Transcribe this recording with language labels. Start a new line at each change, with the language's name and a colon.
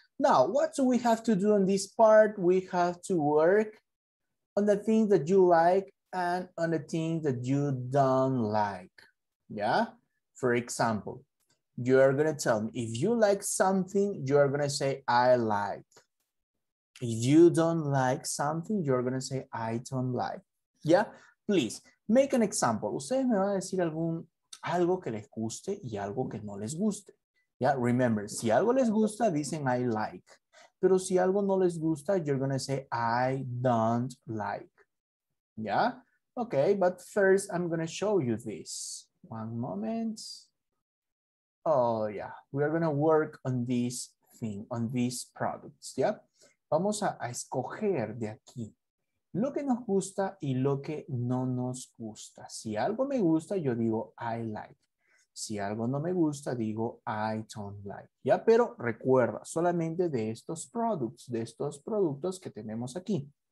English: Now, what do we have to do on this part? We have to work on the things that you like and on the things that you don't like, yeah? For example, you are gonna tell me, if you like something, you are gonna say, I like. If you don't like something, you're gonna say, I don't like, yeah? Please, make an example.
Spanish: Ustedes me van a decir algo que les guste y algo que no les guste.
English: Yeah, remember,
Spanish: si algo les gusta, dicen
English: I like.
Spanish: Pero si algo no les gusta,
English: you're going to say I don't like. Yeah? Okay, but first I'm going to show you this. One moment. Oh, yeah. We are going to work on this thing, on these products. Yeah?
Spanish: Vamos a escoger de aquí lo que nos gusta y lo que no nos gusta. Si algo me gusta, yo digo
English: I like.
Spanish: Si algo no me gusta, digo,
English: I don't like.
Spanish: Ya, pero recuerda, solamente de estos productos que tenemos aquí.